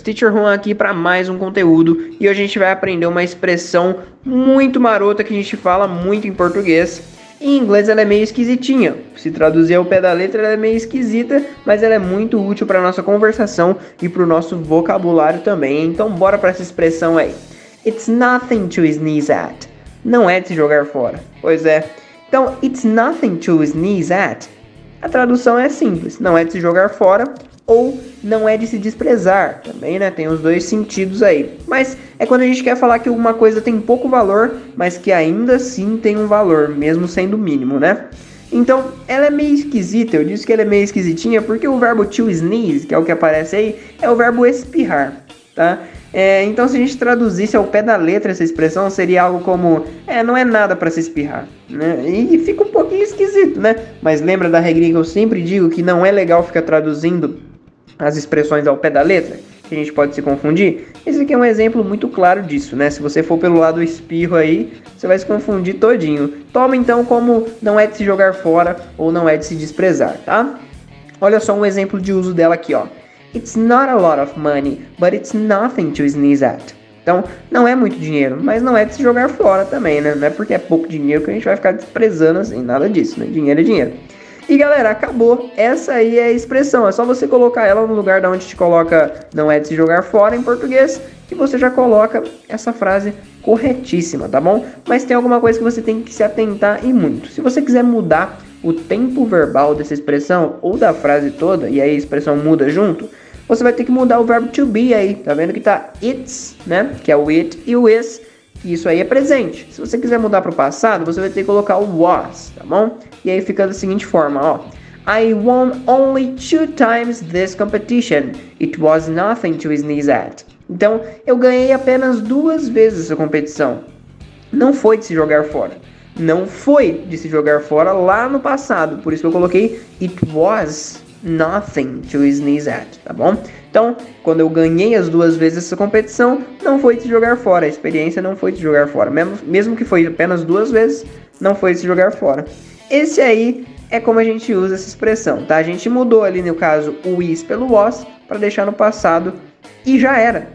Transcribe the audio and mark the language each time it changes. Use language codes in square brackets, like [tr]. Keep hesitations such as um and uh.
[pt] Teacher Juan aqui para mais um conteúdo e hoje a gente vai aprender uma expressão muito marota que a gente fala muito em português. Em inglês ela é meio esquisitinha. Se traduzir ao pé da letra, ela é meio esquisita, mas ela é muito útil para nossa conversação e para o nosso vocabulário também. Então, bora para essa expressão aí. [en] It's nothing to sneeze at. [pt] Não é de se jogar fora. Pois é. Então, [en] it's nothing to sneeze at [pt] a tradução é simples, não é de se jogar fora ou não é de se desprezar, também, né? Tem os dois sentidos aí. Mas é quando a gente quer falar que alguma coisa tem pouco valor, mas que ainda assim tem um valor, mesmo sendo mínimo, né? Então, ela é meio esquisita, eu disse que ela é meio esquisitinha porque o verbo to sneeze, que é o que aparece aí, é o verbo espirrar, tá? É, então, se a gente traduzisse ao pé da letra essa expressão, seria algo como: é, não é nada para se espirrar. Né? E fica um pouquinho esquisito, né? Mas lembra da regra que eu sempre digo que não é legal ficar traduzindo as expressões ao pé da letra? Que a gente pode se confundir? Esse aqui é um exemplo muito claro disso, né? Se você for pelo lado espirro aí, você vai se confundir todinho. Toma então como não é de se jogar fora ou não é de se desprezar, tá? Olha só um exemplo de uso dela aqui, ó. [en] It's not a lot of money, but it's nothing to sneeze at. [pt] Então, não é muito dinheiro, mas não é de se jogar fora também, né? Não é porque é pouco dinheiro que a gente vai ficar desprezando assim, nada disso, né? Dinheiro é dinheiro. E galera, acabou. Essa aí é a expressão. É só você colocar ela no lugar da onde te coloca não é de se jogar fora em português, que você já coloca essa frase corretíssima, tá bom? Mas tem alguma coisa que você tem que se atentar e muito. Se você quiser mudar o tempo verbal dessa expressão ou da frase toda, e aí a expressão muda junto, você vai ter que mudar o verbo to be aí, tá vendo que tá it's, né? Que é o it e o is, e isso aí é presente. Se você quiser mudar para o passado, você vai ter que colocar o was, tá bom? E aí fica da seguinte forma, ó. [en] I won only two times this competition. It was nothing to sneeze at. [pt] Então, eu ganhei apenas duas vezes essa competição. Não foi de se jogar fora. Não foi de se jogar fora lá no passado. Por isso que eu coloquei [en] it was nothing to sneeze at, [pt] tá bom? Então, quando eu ganhei as duas vezes essa competição, não foi de jogar fora, a experiência não foi de jogar fora. Mesmo, mesmo que foi apenas duas vezes, não foi de jogar fora. Esse aí é como a gente usa essa expressão, tá? A gente mudou ali no caso o is pelo was para deixar no passado e já era.